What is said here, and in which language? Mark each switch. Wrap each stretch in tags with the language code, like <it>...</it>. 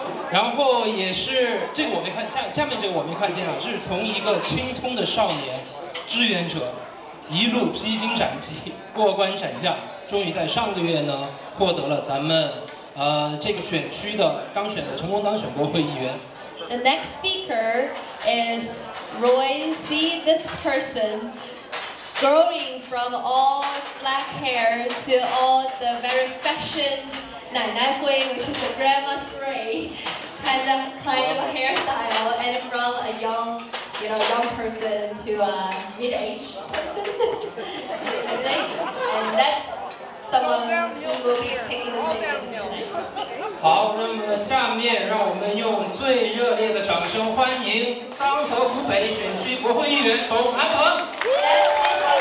<zh>然后也是这个我没看，下面这个我没看见啊，是从一个青葱的少年志愿者一路披荆斩棘过关斩将，终于在上个月呢获得了咱们这个选区的当选的成功当选国会议员。</zh> <en>The next speaker is Roy. See this person growing from all black hair to all the very fashion 奶奶灰 which is a grandma's gray kind of a hairstyle, and from a young, you know, young person to a mid-age person. I say, and that's someone who will be taking the stage tonight.</en> <zh>好，那么下面让我们用最热烈的掌声欢迎当头湖北选区国会议员董晗鹏。</zh>